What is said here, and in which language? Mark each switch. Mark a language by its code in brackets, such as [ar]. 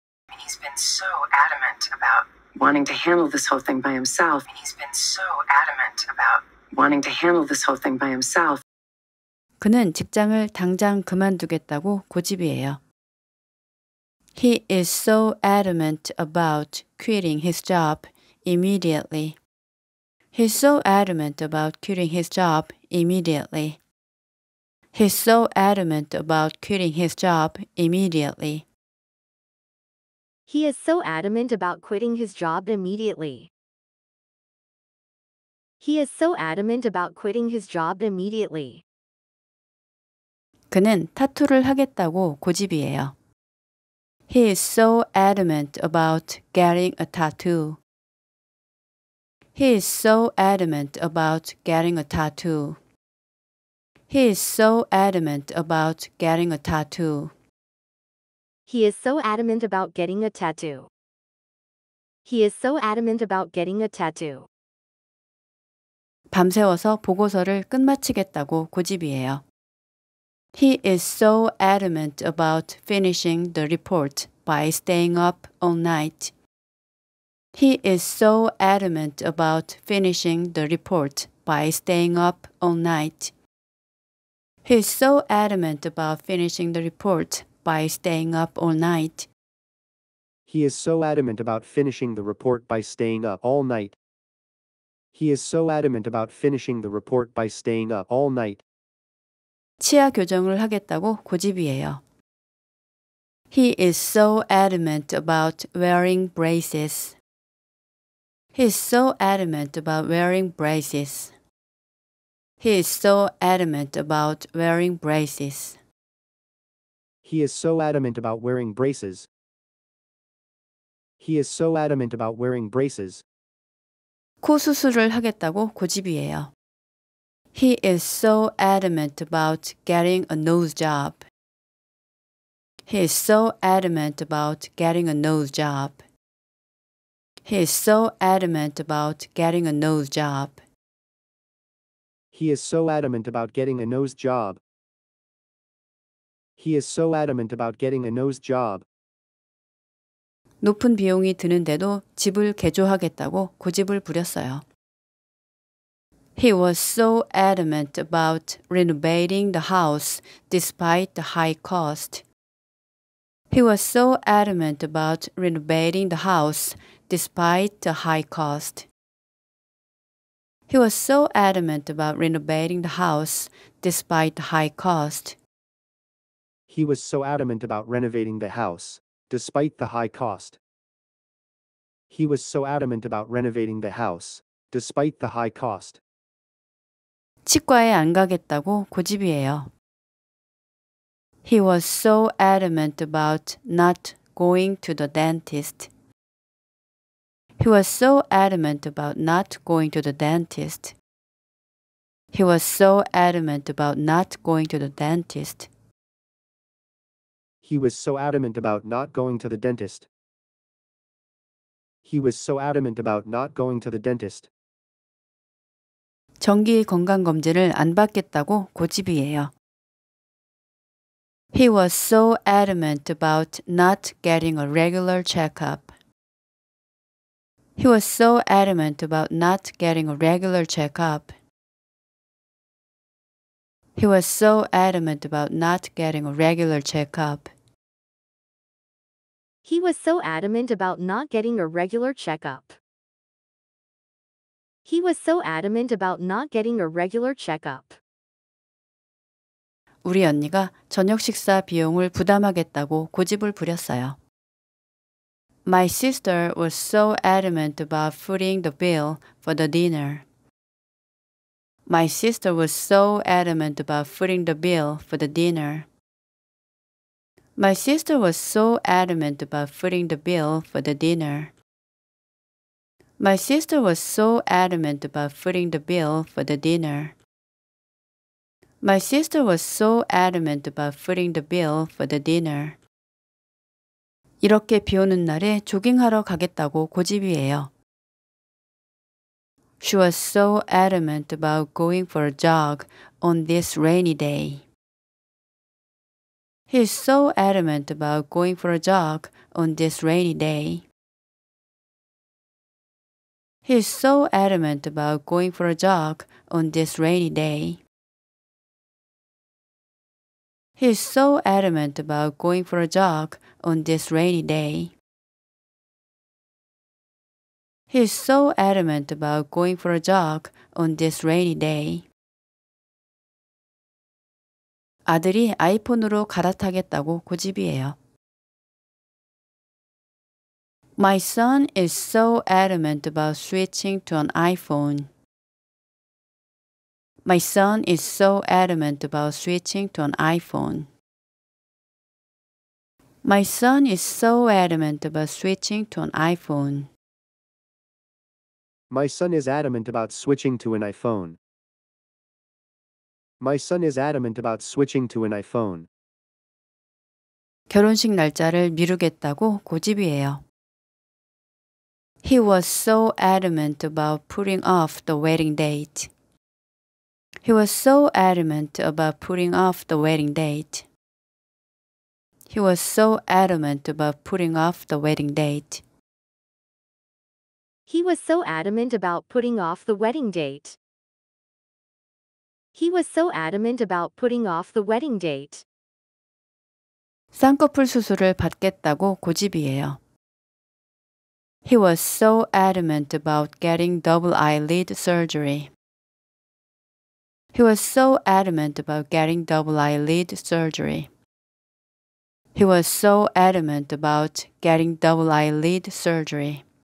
[en] He's been so adamant about wanting to handle this whole thing by himself. He's been so adamant about wanting to handle this whole thing by himself. [ko] 그는 직장을 당장 그만두겠다고 고집이에요. [en] He is so adamant about quitting his job immediately. He's so adamant about quitting his job immediately. He's so adamant about quitting his job immediately. He is so adamant about quitting his job immediately. He is so adamant about quitting his job immediately. [ko] 그는 타투를 하겠다고 고집이에요. [en] He is so adamant about getting a tattoo. He is so adamant about getting a tattoo. He is so adamant about getting a tattoo. He is so adamant about getting a tattoo. He is so adamant about getting a tattoo. [ko] 밤새워서 보고서를 끝마치겠다고 고집이에요. [en] He is so adamant about finishing the report by staying up all night. He is so adamant about finishing the report by staying up all night. He is so adamant about finishing the report by staying up all night. He is so adamant about finishing the report by staying up all night. He is so adamant about finishing the report by staying up all night. [ko] 치아 교정을 하겠다고 고집이에요. [en] He is so adamant about wearing braces. He is so adamant about wearing braces. He is so adamant about wearing braces. He is so adamant about wearing braces. He is so adamant about wearing braces. [ko] 코 수술을 하겠다고 고집이에요. [en] He is so adamant about getting a nose job. He is so adamant about getting a nose job. He is so adamant about getting a nose job. He is so adamant about getting a nose job. He is so adamant about getting a nose job. [ko] 높은 비용이 드는데도 집을 개조하겠다고 고집을 부렸어요. [en] He was so adamant about renovating the house despite the high cost. He was so adamant about renovating the house despite the high cost. He was so adamant about renovating the house despite the high cost. He was so adamant about renovating the house despite the high cost. He was so adamant about renovating the house despite the high cost. [ko] 치과에 안 가겠다고 고집이에요. [en] He was so adamant about not going to the dentist. He was so adamant about not going to the dentist. He was so adamant about not going to the dentist. He was so adamant about not going to the dentist. He was so adamant about not going to the dentist. [ko] 정기 건강검진을 안 받겠다고 고집이에요. [en] He was so adamant about not getting a regular checkup. He was so adamant about not getting a regular checkup. He was so adamant about not getting a regular checkup. He was so adamant about not getting a regular checkup. He was so adamant about not getting a regular checkup. [ko] 우리 언니가 저녁 식사 비용을 부담하겠다고 고집을 부렸어요. [en] My sister was so adamant about footing the bill for the dinner. My sister was so adamant about footing the bill for the dinner. My sister was so adamant about footing the bill for the dinner. My sister was so adamant about footing the bill for the dinner. My sister was so adamant about footing the bill for the dinner. [ko] 이렇게 비 오는 날에 조깅하러 가겠다고 고집이에요. [en] She was so adamant about going for a jog on this rainy day. He is so adamant about going for a jog on this rainy day. He is so adamant about going for a jog on this rainy day. He is so adamant about going for a jog on this rainy day. He is so adamant about going for a jog on this rainy day. [ko] 아들이 아이폰으로 갈아타겠다고 고집이에요. [en] My son is so adamant about switching to an iPhone. My son is so adamant about switching to an iPhone. My son is so adamant about switching to an iPhone. My son is adamant about switching to an iPhone. My son is adamant about switching to an iPhone. [ko] 결혼식 날짜를 미루겠다고 고집이에요. [en] He was so adamant about putting off the wedding date. He was so adamant about putting off the wedding date. He was so adamant about putting off the wedding date. He was so adamant about putting off the wedding date. He was so adamant about putting off the wedding date. [ko] 쌍꺼풀 수술을 받겠다고 고집이에요. [en] He was so adamant about getting double eyelid surgery. He was so adamant about getting double eyelid surgery. He was so adamant about getting double eyelid surgery.